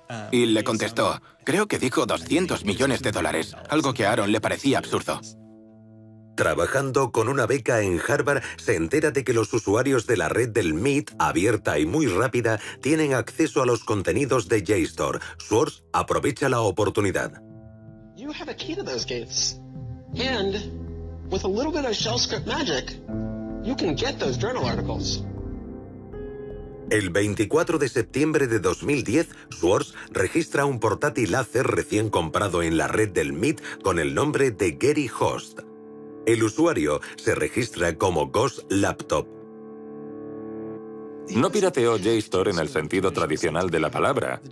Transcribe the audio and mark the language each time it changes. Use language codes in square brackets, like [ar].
[es] Y le contestó, creo que dijo 200 millones de dólares, algo que a Aaron le parecía absurdo. Trabajando con una beca en Harvard, se entera de que los usuarios de la red del Meet, abierta y muy rápida, tienen acceso a los contenidos de JSTOR. Swartz aprovecha la oportunidad. [en] You have a key to those gates. And with a little bit of shell script magic, you can get those journal articles. [es] El 24 de septiembre de 2010, Swartz registra un portátil láser recién comprado en la red del Meet con el nombre de Gary Host. El usuario se registra como Ghost Laptop. No pirateó JSTOR en el sentido tradicional de la palabra.